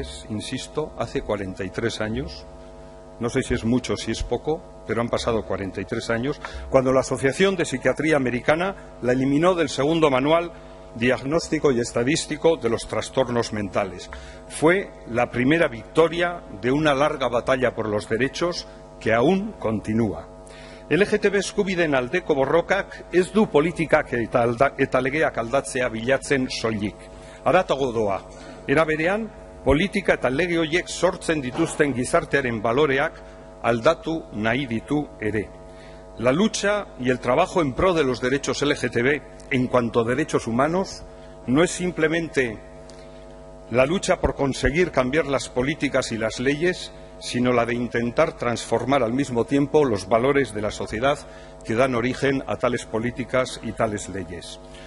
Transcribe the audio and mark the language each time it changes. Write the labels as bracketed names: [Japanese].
[Spanish] insisto, hace 43 años, no sé si es mucho o si es poco, pero han pasado 43 años, cuando la Asociación de Psiquiatría Americana la eliminó del segundo manual diagnóstico y estadístico de los trastornos mentales. Fue la primera victoria de una larga batalla por los derechos que aún continúa. [Basque] LGTB eskubideen aldeko borrokak ez du politikak eta legeak aldatzea bilatzen soilik. Haratago doa, era berean, politika eta lege horiek sortzen dituzten gizartearen baloreak aldatu nahi ditu ere. [Spanish] La lucha y el trabajo en pro de los derechos LGTB en cuanto a derechos humanos no es simplemente la lucha por conseguir cambiar las políticas y las leyes, sino la de intentar transformar al mismo tiempo los valores de la sociedad que dan origen a tales políticas y tales leyes.